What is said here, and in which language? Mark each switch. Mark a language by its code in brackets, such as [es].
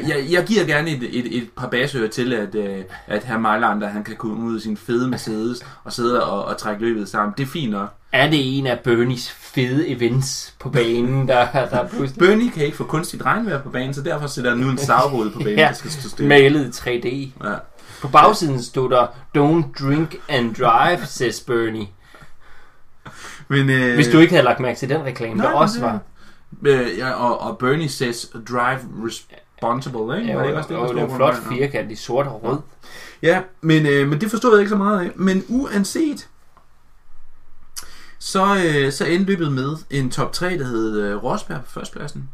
[da] Jeg giver gerne et par basører til, at herr Mejlander, han kan komme ud i sin fede Mercedes og sidde og trække løbet sammen. Det er fint nok. Er det en af Bernies fede events på banen, der pludselig... Bernie kan ikke få kunstigt regnvejr på banen, så derfor sætter han nu en savrod på banen, der skal stå stille. Malet 3D. Ja. På bagsiden stod der, [en] don't drink and drive, says Bernie. [da] Men, hvis du ikke havde lagt mærke til den reklame, nej, der også var... Ja, og [en] Bernie says drive Bountable, [da] ikke? Ja, det er også det, og det er en flot firkant i sort og rød. Ja, men, men det forstod jeg ikke så meget af. Men uanset, så, så indløbet med en top 3, der hed Rosberg på førstepladsen.